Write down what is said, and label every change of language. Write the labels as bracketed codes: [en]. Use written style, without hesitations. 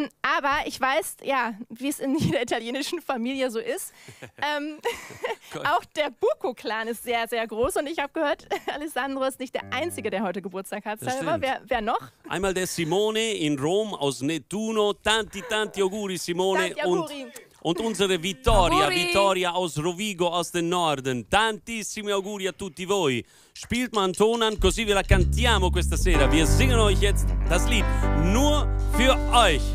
[de] Aber ich weiß, ja, wie es in jeder italienischen Familie so ist, auch der Buco-Clan ist sehr, sehr groß. Und ich habe gehört, Alessandro ist nicht der Einzige, der heute Geburtstag hat. Wer noch? Einmal der Simone in Rom aus Nettuno. [it] Tanti, tanti auguri, Simone. Tanti auguri. [de] Und unsere Vittoria aus Rovigo, aus dem Norden. [it] Tantissimi auguri a tutti voi. [de] Spielt mal einen Ton an, [it] così [de] wir [it] la cantiamo questa sera. [de] Wir singen euch jetzt das Lied nur für euch.